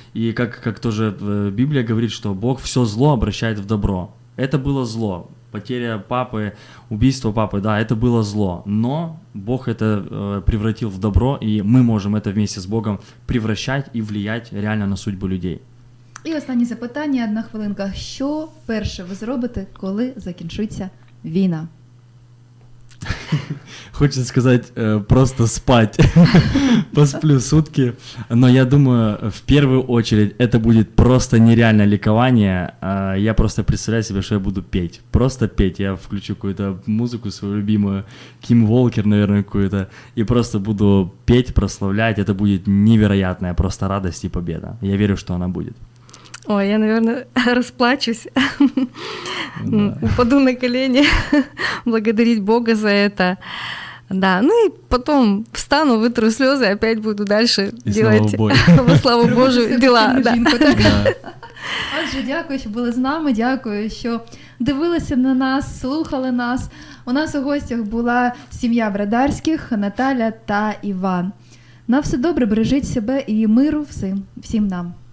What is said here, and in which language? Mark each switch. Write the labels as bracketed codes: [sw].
[ru] И как тоже Библия говорит, что Бог все зло обращает в добро. Это было зло. Потеря папы, убийство папы, да, это было зло, но Бог это превратил в добро, и мы можем это вместе с Богом превращать и влиять реально на судьбу людей. [uk] І останнє запитання, одна хвилинка. Що перше ви зробите, коли закінчиться війна? Хочеться сказати, просто спати. Посплю сутки. [ru] Но я думаю, [uk] в першу чергу, це буде просто нереальне лікування. [ru] Я просто представляю себе, що я буду петь. Просто петь. Я включу какую-то музыку свою любимую. Ким Волкер, наверное, какую-то. И просто буду петь, прославлять. Это будет невероятная просто радость и победа. Я верю, что она будет. Ой, я, наверное, расплачусь, да. Упаду на колени, благодарить Бога за это, да, ну и потом встану, вытру слезы, опять буду дальше и делать, во славу Божию, дела, да. [uk] Отже, дякую, що були з нами, дякую, що дивилися на нас, слухали нас, у нас у гостях була сім'я Брадарських, Наталя та Іван. На все добре, бережіть себе і миру всім нам.